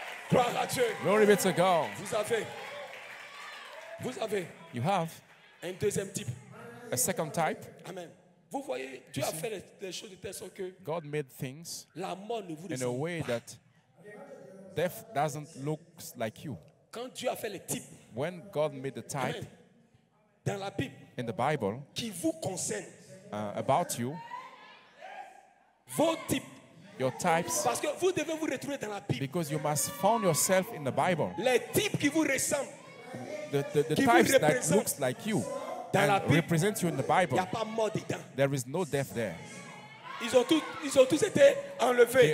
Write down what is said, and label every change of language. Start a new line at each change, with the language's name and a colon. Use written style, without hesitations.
French: Gloire à Dieu.
English: Glory be to God.
French: Vous avez. Vous avez.
English: You have.
French: Un deuxième type.
English: A second type. Amen.
French: Vous voyez, Dieu a fait les choses de telle sorte que
English: God made things
French: la mort ne vous
English: in a way
French: pas
English: that death doesn't look like you.
French: Quand Dieu a fait les types,
English: when God made the type,
French: amen, dans la Bible,
English: in the Bible,
French: qui vous concerne,
English: about you,
French: vos types,
English: your types,
French: parce que vous devez vous retrouver dans la Bible,
English: because you must find yourself in the Bible.
French: Les types qui vous ressemblent.
English: The types that looks like you and represent you in the Bible,
French: y a pas mort dedans.
English: There is no death there.
French: Ils ont tous été enlevés.